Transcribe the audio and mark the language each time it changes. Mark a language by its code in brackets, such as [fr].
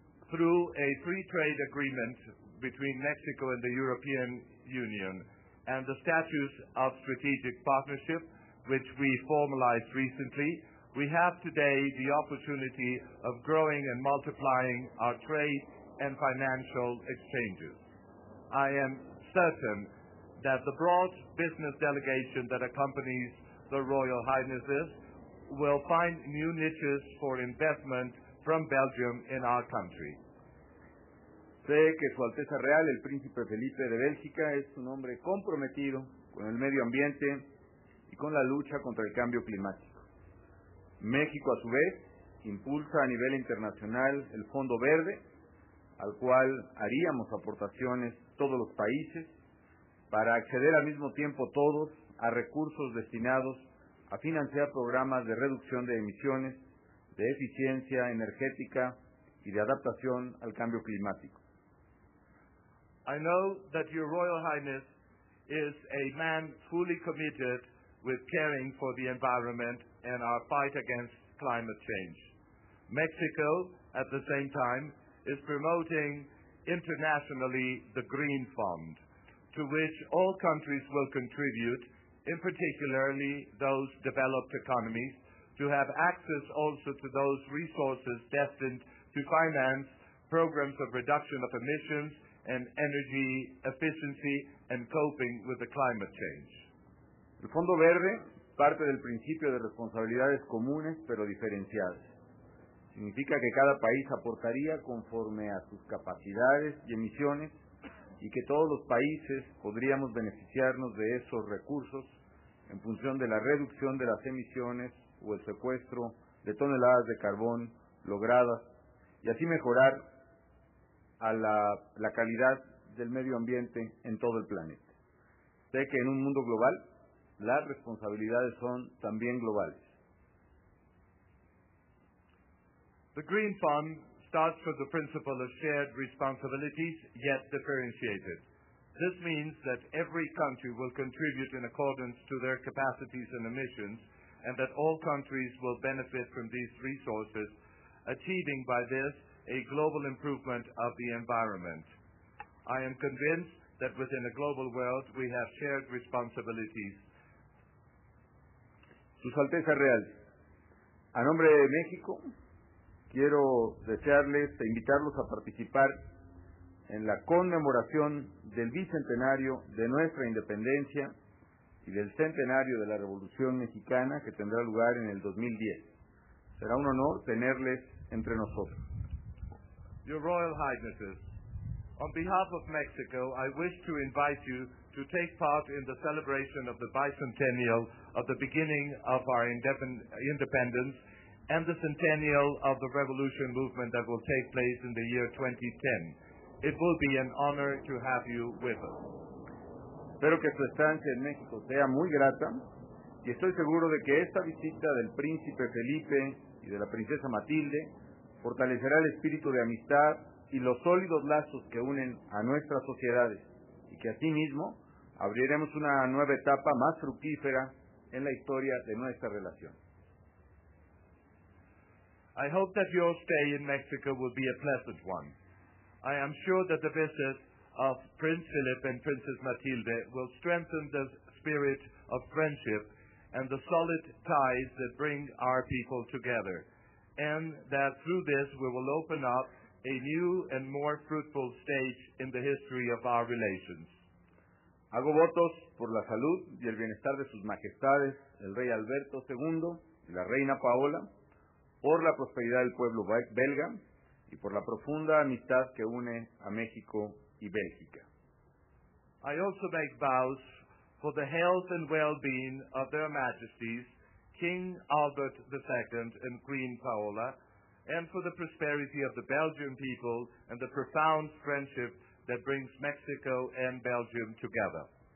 [en] Through a free trade agreement between Mexico and the European Union and the status of strategic partnership, which we formalized recently, we have today the opportunity of growing and multiplying our trade and financial exchanges. I am certain that the broad business delegation that accompanies the Royal Highnesses will find new niches for investment from Belgium in our country. [es] Sé que Su Alteza Real, el Príncipe Felipe de Bélgica, es un hombre comprometido con el medio ambiente y con la lucha contra el cambio climático. México, a su vez, impulsa a nivel internacional el Fondo Verde, al cual haríamos aportaciones todos los países para acceder al mismo tiempo todos a recursos destinados a financiar programas de reducción de emisiones, de eficiencia energética y de adaptación al cambio climático. [en] I know that Your Royal Highness is a man fully committed with caring for the environment and our fight against climate change. Mexico, at the same time, is promoting internationally the Green Fund, to which all countries will contribute, in particularly those developed economies, to have access also to those resources destined to finance programs of reduction of emissions and energy efficiency and coping with the climate change. [es] El Fondo Verde parte del principio de responsabilidades comunes pero diferenciadas. Significa que cada país aportaría conforme a sus capacidades y emisiones y que todos los países podríamos beneficiarnos de esos recursos en función de la reducción de las emisiones o el secuestro de toneladas de carbón logradas y así mejorar a la calidad del medio ambiente en todo el planeta. Sé que en un mundo global las responsabilidades son también globales. [en] The Green Fund starts from the principle of shared responsibilities, yet differentiated. This means that every country will contribute in accordance to their capacities and emissions, and that all countries will benefit from these resources, achieving by this a global improvement of the environment. I am convinced that within a global world we have shared responsibilities. [es] Su Alteza Real, a nombre de México, quiero desearles e invitarlos a participar en la conmemoración del bicentenario de nuestra independencia y del centenario de la Revolución Mexicana que tendrá lugar en el 2010. Será un honor tenerles entre nosotros. [en] Your Royal Highnesses, on behalf of Mexico, I wish to invite you to take part in the celebration of the bicentennial of the beginning of our independence and the centennial of the revolution movement that will take place in the year 2010. It will be an honor to have you with us. [es] Espero que su estancia en México sea muy grata y estoy seguro de que esta visita del príncipe Felipe y de la princesa Matilde fortalecerá el espíritu de amistad y los sólidos lazos que unen a nuestras sociedades y que asimismo abriremos una nueva etapa más fructífera en la historia de nuestra relación. [en] I hope that your stay in Mexico will be a pleasant one. I am sure that the visit of Prince Philip and Princess Matilde will strengthen the spirit of friendship and the solid ties that bring our people together, and that through this we will open up a new and more fruitful stage in the history of our relations. [es] Hago votos por la salud y el bienestar de sus majestades, el rey Alberto II y la reina Paola, por la prosperidad del pueblo belga y por la profunda amistad que une a México y Bélgica. [en] I also make vows for the health and well-being of their majesties, King Albert II and Queen Paola, and for the prosperity of the Belgian people and the profound friendship that brings Mexico and Belgium together.